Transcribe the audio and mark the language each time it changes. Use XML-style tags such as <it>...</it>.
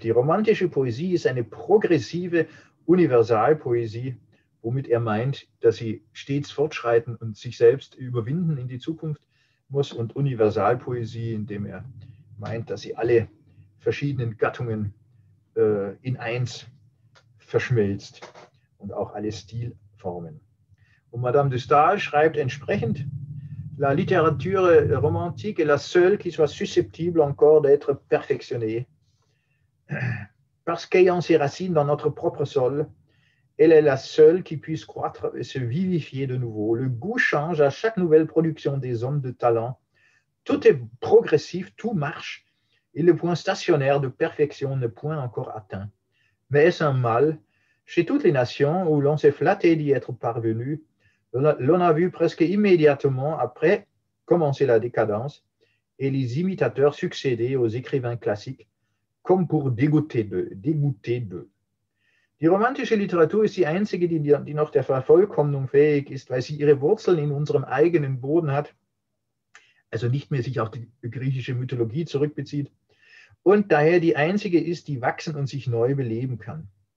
<de>Die romantische Poesie ist eine progressive Universalpoesie, womit er meint, dass sie stets fortschreiten und sich selbst überwinden in die Zukunft muss, und Universalpoesie, indem er meint, dass sie alle verschiedenen Gattungen in eins verschmilzt und auch alle Stilformen. Und Madame de Stael schreibt entsprechend:</de> <fr>La littérature romantique est la seule qui soit susceptible encore d'être perfectionnée. Parce qu'ayant ses racines dans notre propre sol, elle est la seule qui puisse croître et se vivifier de nouveau. Le goût change à chaque nouvelle production des hommes de talent. Tout est progressif, tout marche, et le point stationnaire de perfection n'est point encore atteint. Mais est-ce un mal? Chez toutes les nations où l'on s'est flatté d'y être parvenu, l'on a vu presque immédiatement après commencer la décadence et les imitateurs succéder aux écrivains classiques comme pour dégoûter d'eux.</fr> <de>Die romantische Literatur ist die einzige, die noch der Vervollkommnung fähig ist, weil sie ihre Wurzeln in unserem eigenen Boden hat, also nicht mehr sich auf die griechische Mythologie zurückbezieht, und daher die einzige ist, die wachsen und sich neu beleben kann.</de>